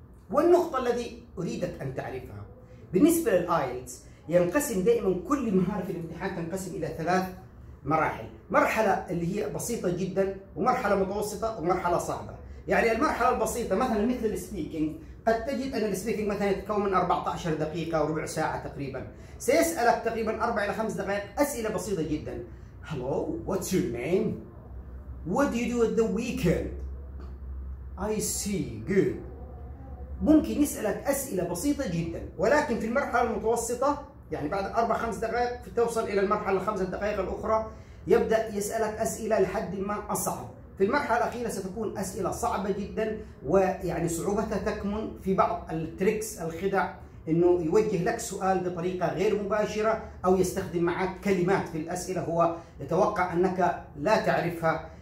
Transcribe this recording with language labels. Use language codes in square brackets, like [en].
[ar] والنقطة التي أريدك أن تعرفها بالنسبة للآيلتس، ينقسم دائما كل مهارة في الامتحان تنقسم إلى 3 مراحل، مرحلة اللي هي بسيطة جدا، ومرحلة متوسطة، ومرحلة صعبة. يعني المرحلة البسيطة مثلا مثل السبيكينج، قد تجد أن السبيكينج مثلا يتكون من 14 دقيقة وربع ساعة تقريبا، سيسألك تقريبا 4 إلى 5 دقائق أسئلة بسيطة جدا. [en] Hello, what's your name? What do you do at the weekend? I see, good. [ar] ممكن يسألك أسئلة بسيطة جدا، ولكن في المرحلة المتوسطة يعني بعد 4-5 دقائق توصل إلى المرحلة الخمسة دقائق الأخرى، يبدأ يسألك أسئلة لحد ما أصعب. في المرحلة الأخيرة ستكون أسئلة صعبة جدا، ويعني صعوبتها تكمن في بعض التريكس الخدع، إنه يوجه لك سؤال بطريقة غير مباشرة أو يستخدم معك كلمات في الأسئلة هو يتوقع أنك لا تعرفها.